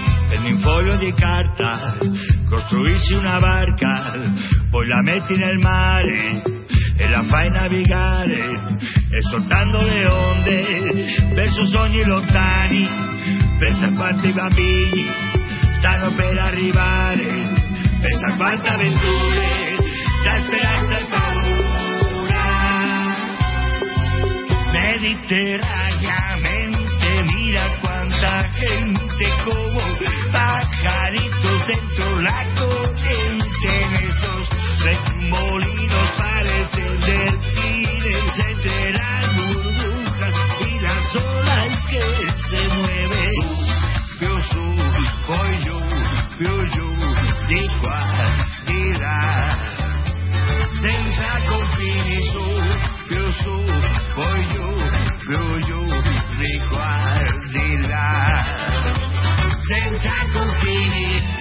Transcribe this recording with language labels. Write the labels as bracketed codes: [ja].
[it] Prendi un foglio di carta, costruisci una barca, poi la metti nel mare e la fai navigare, e soltanto le onde verso sogni lontani. Pensa a quanti bambini stanno per arrivare, pensa a quante avventure, la speranza e paura. [es] Mediterraneamente, mira quanta gente, come pajaritos dentro la corriente, en estos remolinos parecen delfines entre las burbujas y las olas que se mueven. [it] Piu, su, voy yo, piu, yo, di qua, di la, senza confini, su, piu, su, voy yo, piu, yo, di qua, di la, senza confini.